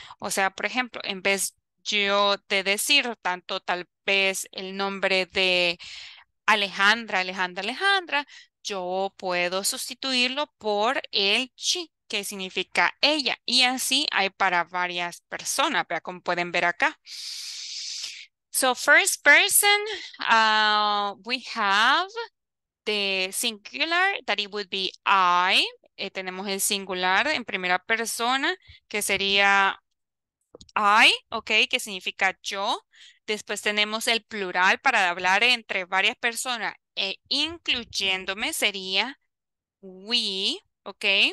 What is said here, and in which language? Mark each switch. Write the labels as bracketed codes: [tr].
[es] O sea, por ejemplo, en vez yo de decir tanto tal vez el nombre de Alejandra, Alejandra, Alejandra, yo puedo sustituirlo por el she, que significa ella. Y así hay para varias personas, vea como pueden ver acá. [en] So, first person, we have the singular, that it would be I. [es] Tenemos el singular en primera persona, que sería I, ok, que significa yo. Después tenemos el plural para hablar entre varias personas, incluyéndome, sería we, ok.